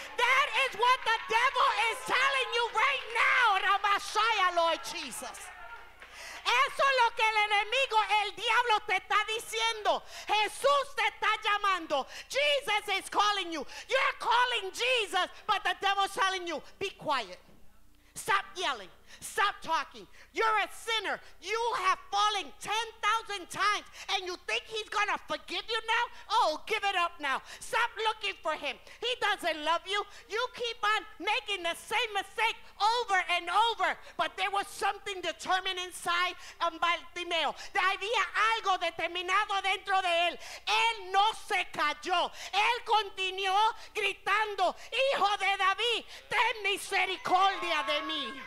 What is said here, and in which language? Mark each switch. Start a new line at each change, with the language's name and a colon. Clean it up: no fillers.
English: That is what the devil is telling you right now, Ramashiach, Lord Jesus.
Spanish: Eso es lo que el enemigo, el diablo, te está diciendo. Jesús te está llamando.
English: Jesus is calling you. You're calling Jesus, but the devil's telling you, be quiet. Stop yelling. Stop talking. You're a sinner. You have fallen 10,000 times, and you think he's going to forgive you now? Oh, give it up now. Stop looking for him. He doesn't love you. You keep on making the same mistake over and over. But there was something determined inside of Bartimeo.
Spanish: Había algo determinado dentro de él. Él no se cayó. Él continuó gritando, Hijo de David, ten misericordia de mí.